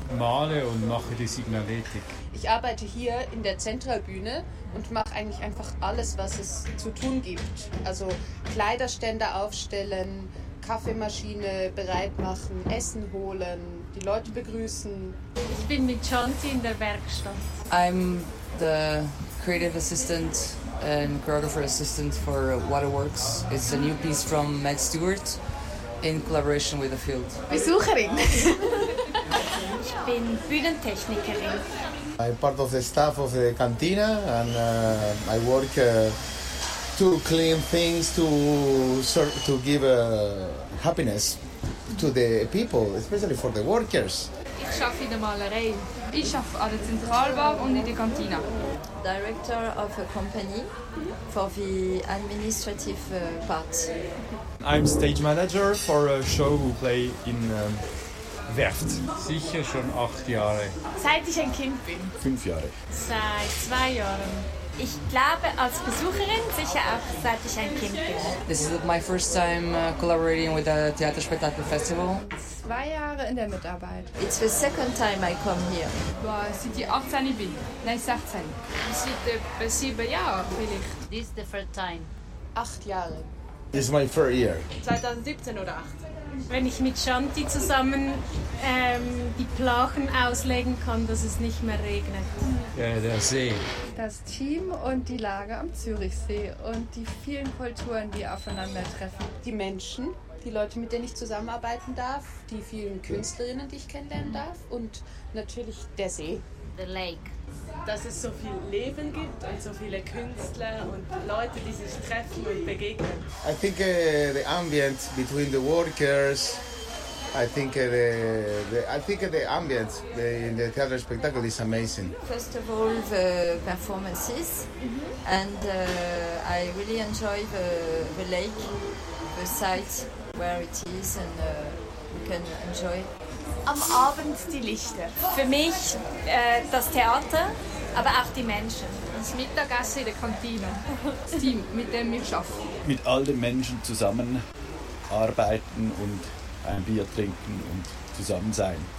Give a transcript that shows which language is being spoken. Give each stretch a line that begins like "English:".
German: Male und mache die Signaletik. Ich arbeite hier in der Zentralbühne und mache eigentlich einfach alles, was es zu tun gibt. Also Kleiderstände aufstellen, Kaffeemaschine bereit machen, Essen holen, die Leute begrüßen. Ich bin mit Chanti in der Werkstatt.
English: I'm the creative assistant and choreographer assistant for Waterworks. It's a new piece from Matt Stewart in collaboration with the field.
German: Besucherin. Ich bin Bühnentechnikerin.
English: I'm part of the staff of the cantina and I work to clean things, to serve, to give happiness to the people, especially for the workers.
German: Ich schaffe in der Malerei. Ich schaffe an der Zentralbar und in der Kantine.
English: Director of a company for the administrative part. I'm stage manager for a show who play in Werft.
German: Sicher schon 8 Jahre. Seit ich ein Kind bin. 5 Jahre. Seit 2 Jahren. Ich glaube als Besucherin sicher auch seit ich ein Kind bin.
English: This is my first time collaborating with the Theater Spektakel Festival.
German: 2 Jahre in der Mitarbeit.
English: It's the second time I come here.
German: Boah, seit ich 18 bin. Nein, 16. Seit 7 Jahren vielleicht.
English: This is the third time.
German: 8 Jahre.
English: This is my third year.
German: 2017 oder 2018. Wenn ich mit Shanti zusammen die Plachen auslegen kann, dass es nicht mehr regnet. Ja, der See. Das Team und die Lage am Zürichsee und die vielen Kulturen, die aufeinandertreffen. Die Menschen. Die Leute, mit denen ich zusammenarbeiten darf, die vielen Künstlerinnen, die ich kennenlernen darf und natürlich der See.
English: The lake.
German: Dass es so viel Leben gibt und so viele Künstler und Leute, die sich treffen und begegnen.
English: I think the ambient between the workers, I think the ambient in the theater spectacle is amazing. First of all, the performances, and I really enjoy the lake, the site. Where it is and we can enjoy.
German: Am Abend die Lichter. Für mich das Theater, aber auch die Menschen. Das Mittagessen in der Kantine. Das Team, mit dem ich arbeite. Mit all den Menschen zusammen arbeiten und ein Bier trinken und zusammen sein.